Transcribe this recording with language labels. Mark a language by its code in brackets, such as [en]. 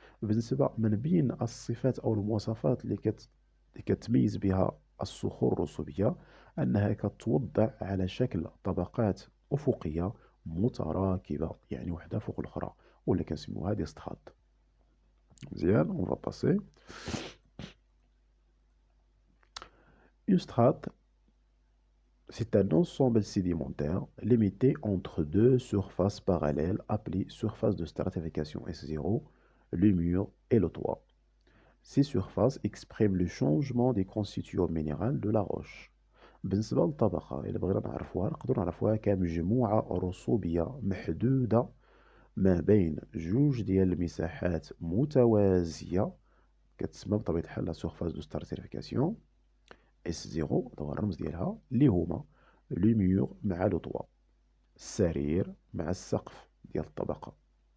[ar] بالنسبة من بين الصفات أو المواصفات اللي كتميز بها الصخور الرسوبية أنها كتوضع على شكل طبقات أفقية متراكبة، يعني واحدة فوق الأخرى، واللي كنسموها دي ستخات. [fr] مزيان، on va passer. Une strate, c'est un ensemble sédimentaire limité entre deux surfaces parallèles appelées surfaces de stratification S0, le mur et le toit. Ces surfaces expriment le changement des constituants minérales de la roche. [ar] بالنسبة للطبقة اللي بغينا نعرفوها نقدر نعرفوها كمجموعة رسوبية محدودة ما بين جوج ديال المساحات متوازية كتسمى بطبيعة الحال لا سيرفاس دو ستراتيفيكاسيون اس زيرو هو الرمز ديالها، اللي هما لو ميور مع لو طوا، السرير مع السقف ديال الطبقة.